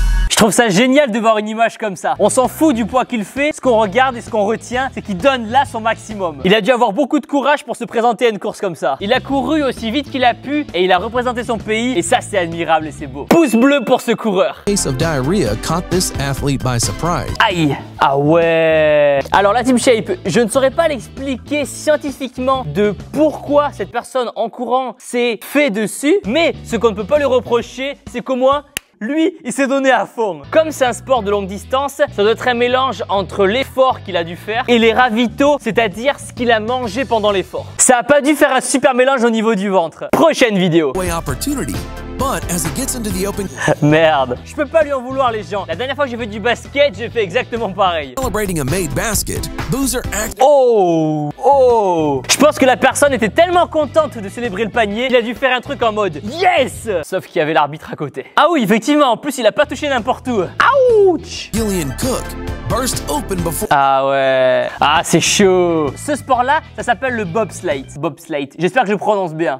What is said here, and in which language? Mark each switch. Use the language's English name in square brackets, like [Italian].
[French] Je trouve ça génial de voir une image comme ça. On s'en fout du poids qu'il fait. Ce qu'on regarde et ce qu'on retient, c'est qu'il donne là son maximum. Il a dû avoir beaucoup de courage pour se présenter à une course comme ça. Il a couru aussi vite qu'il a pu et il a représenté son pays. Et ça, c'est admirable et c'est beau. Pouce bleu pour ce coureur. [English] Case of diarrhea caught this athlete by surprise. [French] Aïe. Ah ouais. Alors la Team Shape, je ne saurais pas l'expliquer scientifiquement de pourquoi cette personne en courant s'est fait dessus. Mais ce qu'on ne peut pas lui reprocher, c'est qu'au moins... lui, il s'est donné à fond. Comme c'est un sport de longue distance, ça doit être un mélange entre l'effort qu'il a dû faire et les ravitaux, c'est-à-dire ce qu'il a mangé pendant l'effort. Ça a pas dû faire un super mélange au niveau du ventre. Prochaine vidéo. [English] But as it gets into the open... [French] Merde. Je peux pas lui en vouloir les gens. La dernière fois que j'ai fait du basket, j'ai fait exactement pareil. [English] Celebrating a made basket, Boozer act... Oh. Oh. [French] Je pense que la personne était tellement contente de célébrer le panier, il a dû faire un truc en mode yes. Sauf qu'il y avait l'arbitre à côté. Ah oui, effectivement, en plus il a pas touché n'importe où. Ouch. [English] Gillian Cook burst open before... [French] Ah ouais. Ah c'est chaud. Ce sport là, ça s'appelle le bobsleigh. Bobsleigh. J'espère que je prononce bien.